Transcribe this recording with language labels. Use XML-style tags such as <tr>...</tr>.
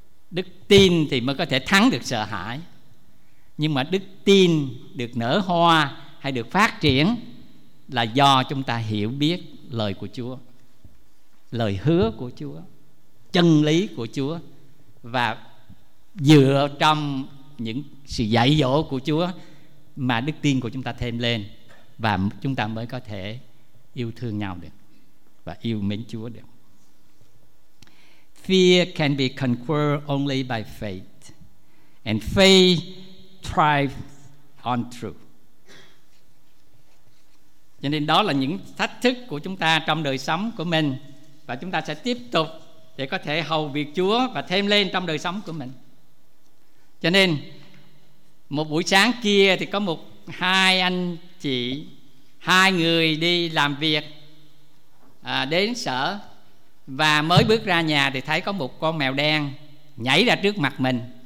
<vi>Đức tin thì mới có thể thắng được sợ hãi. Nhưng mà đức tin được nở hoa hay được phát triển là do chúng ta hiểu biết lời của Chúa, lời hứa của Chúa, chân lý của Chúa, và dựa trong những sự dạy dỗ của Chúa mà đức tin của chúng ta thêm lên, và chúng ta mới có thể yêu thương nhau được và yêu mến Chúa được.</vi> <en>Fear can be conquered only by faith, and faith thrives on truth.</en> <vi>Cho nên đó là những thách thức của chúng ta trong đời sống của mình, và chúng ta sẽ tiếp tục để có thể hầu việc Chúa và thêm lên trong đời sống của mình. Cho nên một buổi sáng kia thì có một hai anh chị, hai người đi làm việc đến sở, và mới bước ra nhà thì thấy có một con mèo đen nhảy ra trước mặt mình.</vi>